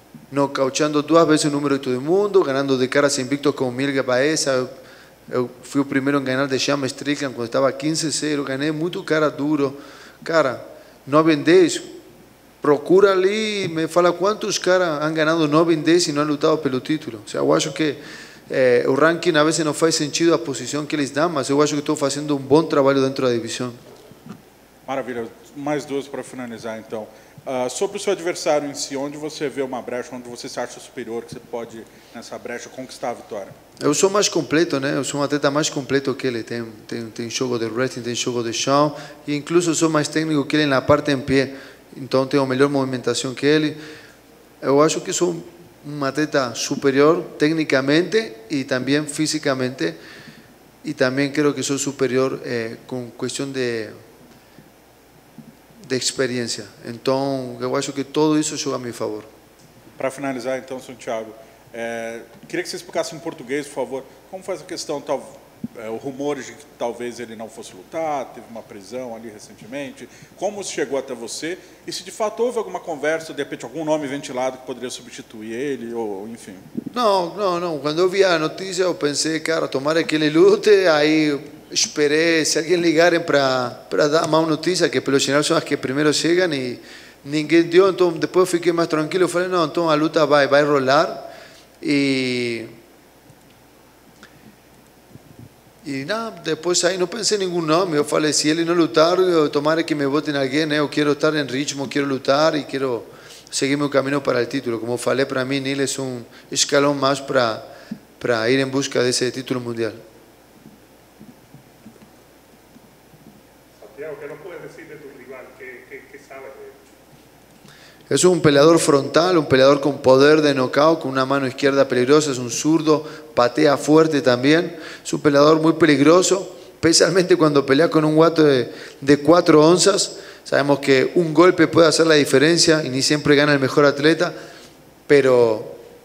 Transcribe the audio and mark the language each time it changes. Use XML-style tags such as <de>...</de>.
<pt>Nocauteando 2 vezes o número 8 do mundo, ganhando de caras invictos com Mirga Baeza. Eu fui o primeiro em ganhar de Sean Strickland quando estava 15-0. Ganhei muito cara duro. Cara, 9 em 10. Procura ali e me fala quantos caras</pt> <es>han ganado</es> <pt>9 em 10 e não han lutado pelo título. Ou seja, eu acho que o ranking</pt> <es>a veces no faz sentido a posición que les dan, mas yo acho que estoy haciendo un buen trabajo dentro de la división. Maravilha, más dos para finalizar, entonces. Sobre su adversario en sí, ¿dónde você ve una brecha, dónde você se acha superior, que você puede, en esa brecha,</es> <pt>conquistar a vitória?</pt> <es>Yo soy más completo, ¿no? Yo soy un atleta más completo que él.</es> <pt>Tem jogo de wrestling, tem jogo de chão,</pt> <es>e incluso soy más técnico que él en la parte en pie. Entonces, tengo mejor movimentación que él. Yo acho que soy un atleta superior técnicamente y también físicamente, y también creo que soy superior con cuestión de experiencia. Entonces, yo creo que todo eso juega a mi favor. Para finalizar, entonces, Santiago, quería que se explicasse en portugués, por favor, cómo fue esa cuestión, los rumores de que tal vez él no fuese a lutar, teve una prisión allí recientemente, cómo se llegó hasta usted y si de fato hubo alguna conversa, de repente algún nombre ventilado que podría sustituir él, o enfim. No. Cuando vi la noticia, yo pensé, cara, tomara que él lute, ahí esperé si alguien ligara para dar más noticias, que pelo general son las que primero llegan y ninguém dio. Entonces, después fiquei más tranquilo, falei, no, entonces la luta va a rolar y.</es> <pt>E não, depois aí não pensei em nenhum nome, eu falei, se ele não lutar, eu tomara que me botem alguém, né? Eu quero estar em ritmo, quero lutar e quero seguir meu caminho para o título. Como falei, para mim, ele é um escalão mais para ir em busca desse título mundial. Santiago, o que não pode dizer de tu rival? Que sabe dele? É um peleador frontal, um peleador com poder de nocaut, com uma mano esquerda perigosa, é um zurdo,</pt> <es>patea fuerte también, es un peleador muy peligroso, especialmente cuando pelea con un guato de 4 onzas, sabemos que un golpe puede hacer la diferencia y ni siempre gana el mejor atleta, pero</es>